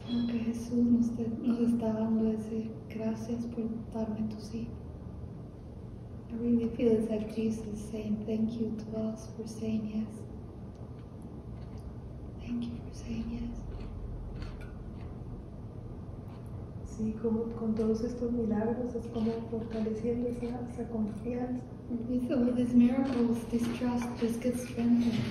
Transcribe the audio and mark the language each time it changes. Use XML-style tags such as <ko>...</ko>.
<es>Que Jesús nos está dando ese gracias por darme tu sí.</es> <en>I really feel it's like Jesus saying thank you to us for saying yes. Thank you for saying yes.</en> <es>Sí, como con todos estos milagros es como fortaleciendo esa confianza.</es> <en>With all these miracles, this trust just gets stronger.</en>